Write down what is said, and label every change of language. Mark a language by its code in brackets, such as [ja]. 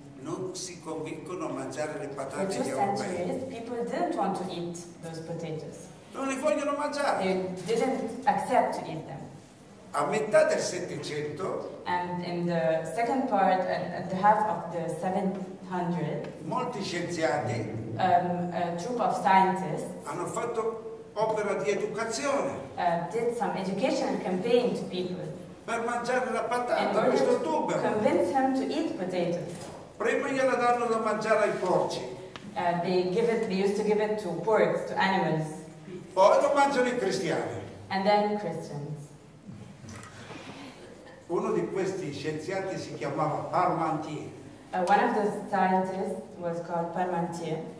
[it] Non si convincono a mangiare le patate europee. [en] For two centuries, people didn't want to eat those potatoes. [it] Non li vogliono mangiare. [en] They didn't accept to eat them. [it] A metà del Settecento. [en] And in the second part, at the half of the 700. [it] Molti scienziati. [en] A group of scientists. [it] Hanno fatto opera di educazione. [en] Did some educational campaign to people. [it] Per mangiare la patata. [en] In order to convince them to eat potatoes. [it] Prima gliela danno da mangiare ai porci. [en] They used to give it to pigs, to animals. [it] Poi lo mangiano i cristiani. [en] And then Christians. [it] Uno di questi scienziati si chiamava Parmentier. [en] One of the scientists was called Parmentier.